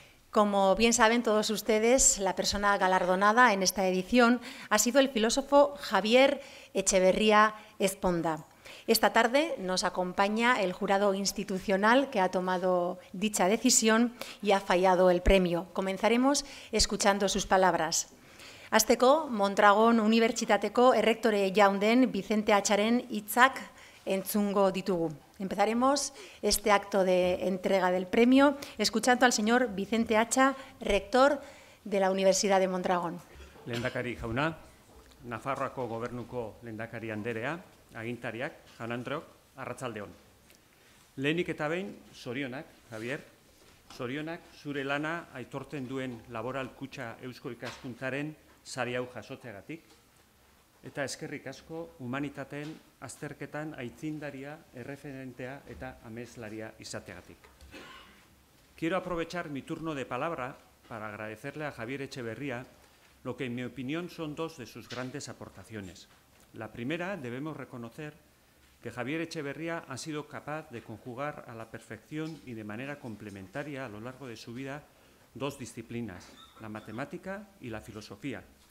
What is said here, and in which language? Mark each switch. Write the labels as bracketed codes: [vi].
[es] Como bien saben todos ustedes, la persona galardonada en esta edición ha sido el filósofo Javier Etxeberria Ezponda. Esta tarde nos acompaña el jurado institucional que ha tomado dicha decisión y ha fallado el premio. Comenzaremos escuchando sus palabras. [eu] Hasteko, Mondragon Unibertsitateko errektore jaun den Vicente Atxaren hitzak entzungo ditugu. [es] Empezaremos este acto de entrega del premio escuchando al señor Vicente Atxa, rector de la Universidad de Mondragón. [eu] Lehendakari jauna, Nafarroako gobernuko lehendakari anderea, agintariak, Jaun Andreok, arratsaldeon. Lehenik eta behin, sorionak, Javier, sorionak zure lana aitorten duen Laboral Kutxa Eusko Ikaskuntzaren sari hau jasotzeagatik, eta eskerrik asko humanitateen azterketan aitzindaria, erreferentea eta ameslaria izateagatik. [es] Quiero aprovechar mi turno de palabra para agradecerle a Javier Etxeberria lo que en mi opinión son dos de sus grandes aportaciones. La primera, debemos reconocer que Javier Etxeberria ha sido capaz de conjugar a la perfección y de manera complementaria a lo largo de su vida dos disciplinas, la matemática y la filosofía,